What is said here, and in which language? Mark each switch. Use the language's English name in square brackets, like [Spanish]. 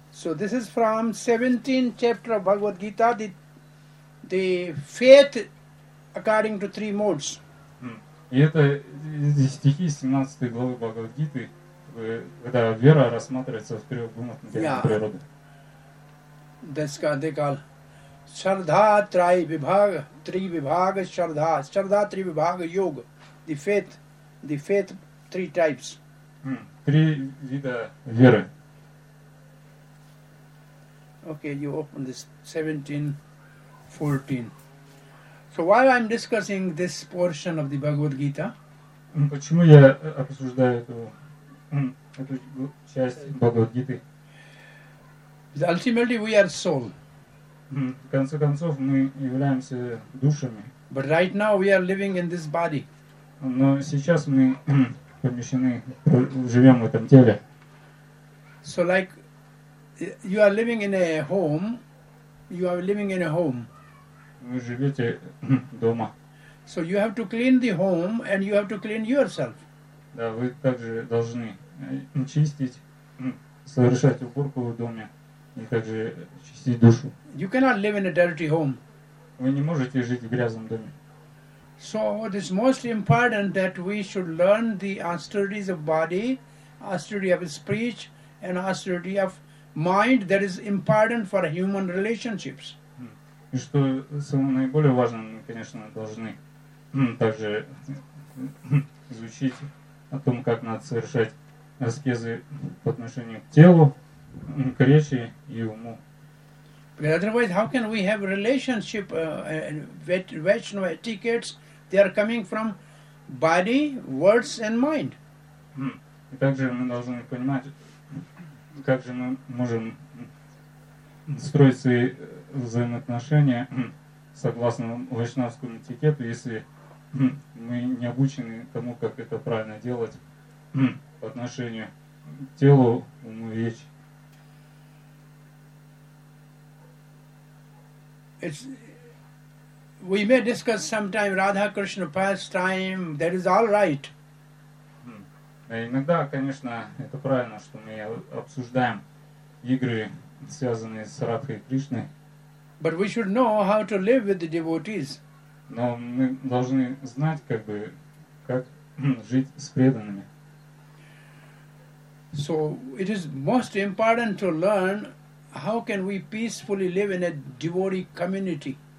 [English] So this is from 17th chapter of Bhagavad Gita, the faith according to three modes. [Russian] И это стихи 17 главы Бхагавад Гиты, когда вера рассматривается в трех гунах природы. Deska dekal shardha trai vibhag tri vibhag shardha shardha tri vibhag yog [English] the faith three types [Russian] три вида веры. [English] Okay, you open this 17:14. So while I'm discussing this portion of the Bhagavad Gita, [Russian] почему я обсуждаю эту часть Бхагавад Гиты? [English] Ultimately, we are soul. [Russian] В конце концов, мы являемся душами. [English] But right now, we are living in this body. [Russian] Но сейчас мы помещены, живем в этом теле. [English] So like, you are living in a home. You are living in a home. [Russian] Вы живете дома. [English] So you have to clean the home, and you have to clean yourself. [Russian] Да, вы также должны чистить, совершать уборку в доме. И также чистить душу. [English] You cannot live in a dirty home. [Russian] Вы не можете жить в грязном доме. [English] So it is most important that we should learn the austerities of body, austerity of speech, and austerity of mind that is important for human relationships. [Russian] И что самое наиболее важное, мы, конечно, должны также изучить о том, как надо совершать аскезы по отношению к телу, к речи и уму. [English] But otherwise, how can we have relationship with Vaishnava etiquettes? They are coming from body, words, and mind. [Russian] И также мы должны понимать, как же мы можем строить свои взаимоотношения согласно вайшнавскому этикету, если мы не обучены тому, как это правильно делать по отношению к телу, уму и речи. [English] We may discuss sometime Radha Krishna pastime. That is all right. [Russian] Иногда, конечно, это правильно, что мы обсуждаем игры, связанные с Радхой Кришной. [English] But we should know how to live with the devotees. [Russian] Но мы должны знать, как бы, как жить с преданными. [English] So it is most important to learn. How can we peacefully live in a devotee community?